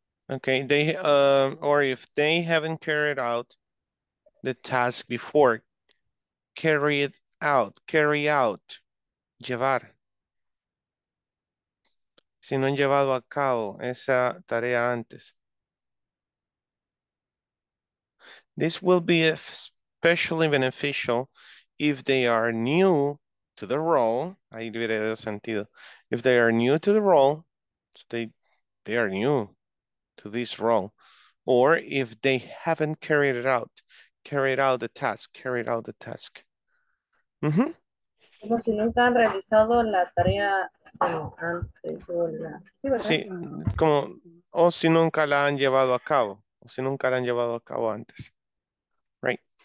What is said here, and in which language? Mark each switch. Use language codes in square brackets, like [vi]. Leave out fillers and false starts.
[en] Okay, they or if they haven't carried out the task before, carry it out, carry out, llevar. [es] Si no han llevado a cabo esa tarea antes. [en] This will be especially beneficial if they are new to the role. [es] Ahí debería haber sentido. [en] If they are new to the role, they are new to this role. Or if they haven't carried out the task, carried out the task. Mm-hmm. [es] Como si nunca han realizado la tarea antes. Sí, ¿verdad? Sí, como, o si nunca la han llevado a cabo, o si nunca la han llevado a cabo antes. [en] Right.